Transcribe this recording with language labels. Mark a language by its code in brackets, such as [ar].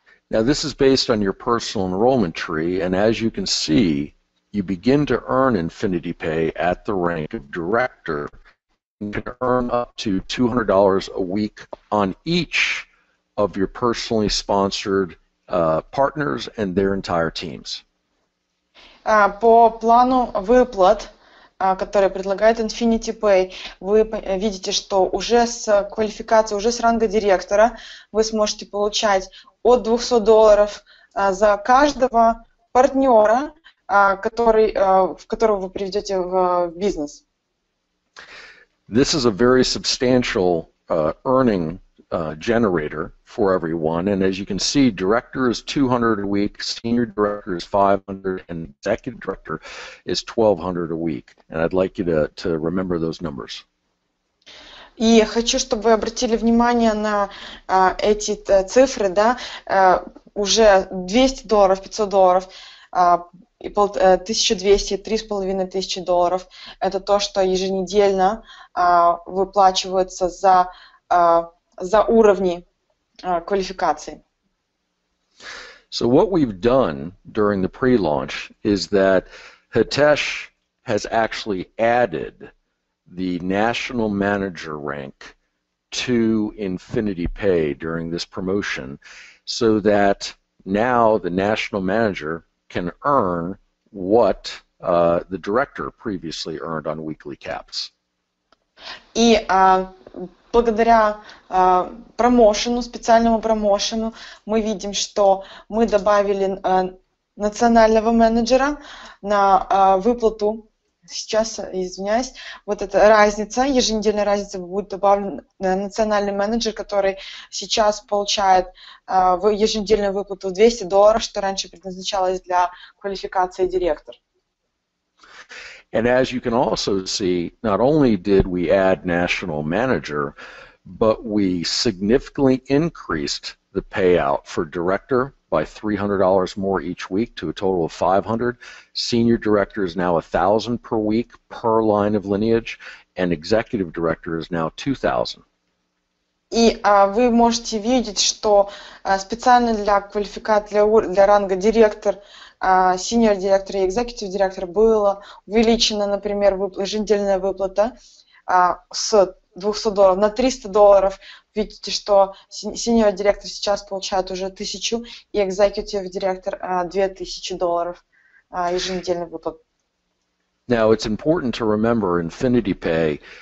[en] Now, this is based on your personal enrollment tree, and as you can see, you begin to earn Infinity Pay at the rank of director. You can earn up to $200 a week on each of your personally sponsored partners and their entire teams. [ru] По плану выплат, который предлагает Infinity Pay, вы видите, что уже с квалификацией, уже с ранга директора, вы сможете получать от $200 за каждого партнера, в которого вы приведете в бизнес. [en] This is a very substantial earning generator for everyone, and as you can see, director is $200 a week, senior director is $500, and executive director is $1,200 a week. And I'd like you to remember those numbers. [ru] И я хочу, чтобы вы обратили внимание на эти цифры, да, уже $200, $500. И 1200, 3500 долларов – это то, что еженедельно выплачивается за уровни квалификации. [en] So what we've done during the pre-launch is that Hitesh has actually added the national manager rank to Infinity Pay during this promotion, so that now the national manager can earn what the director previously earned on weekly caps. [ru] И благодаря промоушену, специальному промоушену, мы видим, что мы добавили национального менеджера на выплату. Сейчас, извиняюсь, вот эта разница, еженедельная разница, будет добавлен национальный менеджер, который сейчас получает еженедельную выплату $200, что раньше предназначалось для квалификации директор. [en] And as you can also see, not only did we add national manager, but we significantly increased the payout for director by $300 more each week to a total of $500. Senior director is now $1,000 per week per line of lineage, and executive director is now $2,000. [ru] И вы можете видеть, что специально для квалификации для ранга директор, senior director и executive director было увеличено, например, еженедельная выплата с $200 на $300. Видите, что senior director сейчас получает уже 1000, и executive director $2000 еженедельный выплат. [en] Now it's important to remember Infinity Pay.